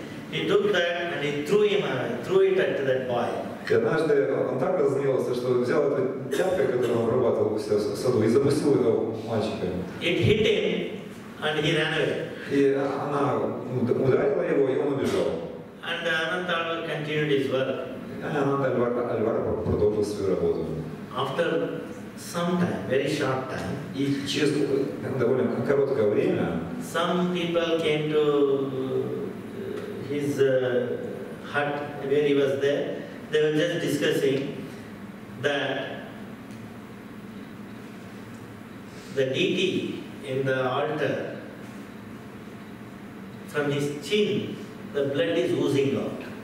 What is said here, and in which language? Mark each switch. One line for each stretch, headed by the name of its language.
English: He took that and he threw him away, threw it at that boy.
Russian: Однажды он так разгневался, что взял эту тяпку, которую он обрабатывал в саду, и запустил его мальчика.
English: It hit him and he ran away.
Russian: И она ударила его, и он убежал.
English: And Anantarvara continued his work.
Russian: Анантарвара продолжил свою работу.
English: After some time, very short time.
Russian: И через довольно короткое время.
English: Some people came to his hut where he was there. They were just discussing that the deity in the altar, from his chin, the blood is oozing out.